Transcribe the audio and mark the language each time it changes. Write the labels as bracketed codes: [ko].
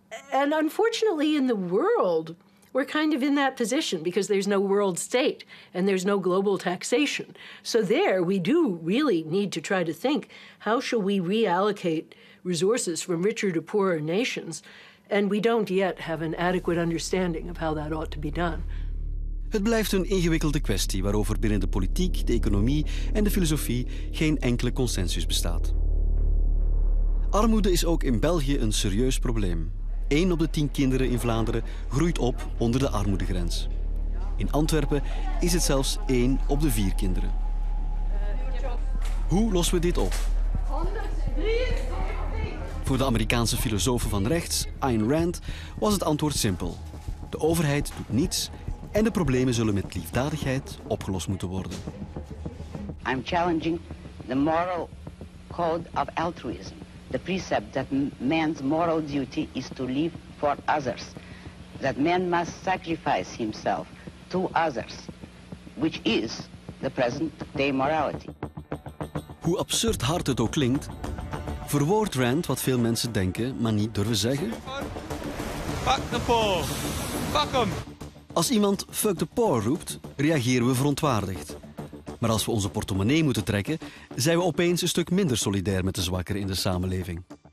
[en] And unfortunately in the world, we're kind of in that position because there's no world state and there's no global taxation. So there we do really need to try to think, how shall we reallocate resources from richer to poorer nations? And we don't yet have an adequate understanding of how that ought to be done. [nl] Het blijft een ingewikkelde kwestie waarover binnen de politiek, de economie en de filosofie geen enkele consensus bestaat. Armoede is ook in België een serieus probleem. 1 op de 10 kinderen in Vlaanderen groeit op onder de armoedegrens. In Antwerpen is het zelfs 1 op de 4 kinderen. Hoe lossen we dit op? Voor de Amerikaanse filosofen van rechts, Ayn Rand, was het antwoord simpel. De overheid doet niets en de problemen zullen met liefdadigheid opgelost moeten worden. [en] I'm challenging the moral code of altruism, the precept that man's moral duty is to live for others, that man must sacrifice himself to others, which is the present day morality. [nl] Hoe absurd hard het ook klinkt, verwoordt Rand wat veel mensen denken, maar niet durven zeggen. [en] Fuck the poor. Fuck 'em. [nl] Als iemand [en] fuck the poor [nl] roept, reageren we verontwaardigd. Maar als we onze portemonnee moeten trekken, zijn we opeens een stuk minder solidair met de zwakkeren in de samenleving.